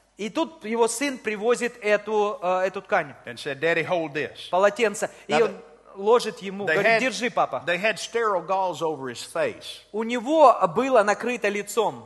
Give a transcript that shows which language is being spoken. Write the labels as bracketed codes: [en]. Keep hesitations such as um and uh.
[ru] И тут его сын привозит эту, эту ткань. Полотенце. и он ложит ему, говорит, держи, папа. [en] They had sterile gauze over his face. [ru] У него было накрыто лицом.